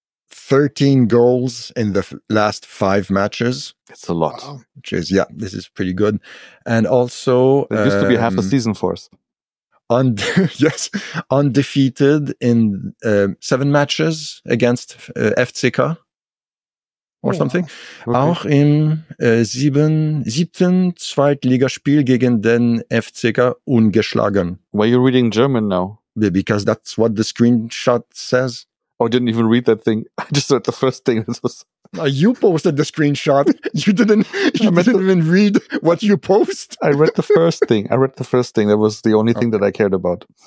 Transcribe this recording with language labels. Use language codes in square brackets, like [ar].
[en] 13 goals in the last five matches. It's a lot. Wow. Which is, yeah, this is pretty good. And also, it used to be half a season for us. Yes, undefeated in seven matches against FCK something. Okay. [de] Auch im siebten Zweitligaspiel gegen den FCK ungeschlagen. [en] Why are you reading German now? Because that's what the screenshot says. Oh, I didn't even read that thing. I just read the first thing. You posted the screenshot. You didn't even read what you post. I read the first thing. That was the only thing that I cared about.